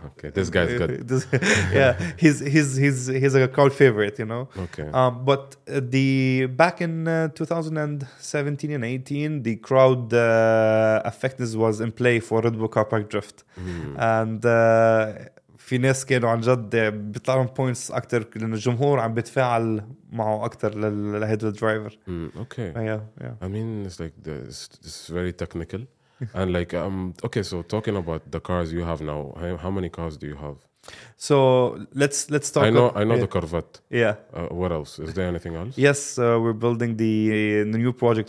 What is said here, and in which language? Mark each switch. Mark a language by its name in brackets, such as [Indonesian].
[English] Okay, this guy's good. he's a crowd favorite, you know. Okay. But the back in 2017 and 18, the crowd effectiveness was in play for Red Bull Car Park Drift, and. [Arabic] في ناس كانوا عن جد بيطلعون بوينتس أكتر لأن الجمهور عم بيتفاعل معه أكتر لهيد الدرايفر. [English] Okay. Yeah. I mean, it's like this is very technical. And like, okay, so talking about the cars you have now, how many cars do you have? So let's talk. I know the Corvette. Yeah. What else? Is there anything else? Yes, we're building the new project.